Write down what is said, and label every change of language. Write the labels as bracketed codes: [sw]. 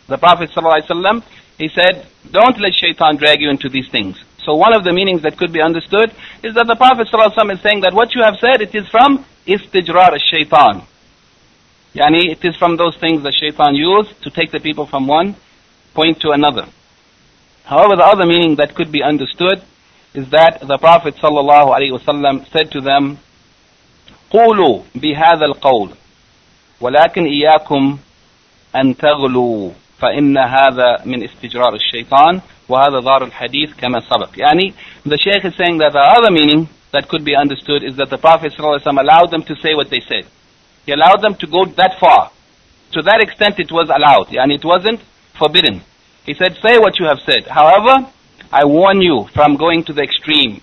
[en] The Prophet ﷺ, he said, don't let shaytan drag you into these things. So one of the meanings that could be understood is that the Prophet ﷺ is saying that what you have said, it is from istijrar al-shaytan. Yani it is from those things that shaytan used to take the people from one point to another. However, the other meaning that could be understood is that the Prophet ﷺ said to them, [ar] قولوا بهذا القول ولكن إياكم أن تغلوا فإن هذا من استجرار الشيطان وهذا دار الحديث كما سبق. [en] يعني the Shaykh is saying that the other meaning that could be understood is that the Prophet ﷺ allowed them to say what they said. He allowed them to go that far. To that extent it was allowed. يعني it wasn't forbidden. He said, say what you have said. However, I warn you from going to the extreme.